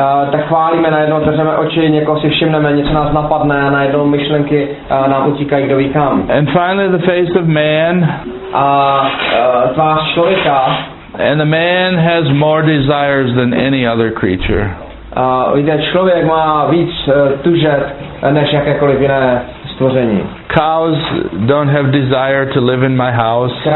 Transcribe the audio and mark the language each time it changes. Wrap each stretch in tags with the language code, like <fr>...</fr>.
<cs>Tak chválíme, najednou držeme oči, někoho si všimneme, něco nás napadne, a najednou myšlenky nám utíkají kdo ví kam.</cs> <en>And finally the face of man.</en> <cs>A tvář člověka.</cs> <en>And the man has more desires than any other creature.</en> <cs>Víte, člověk má víc tužet než jakékoliv jiné.</cs> <en>Cows don't have desire to live in my house.</en>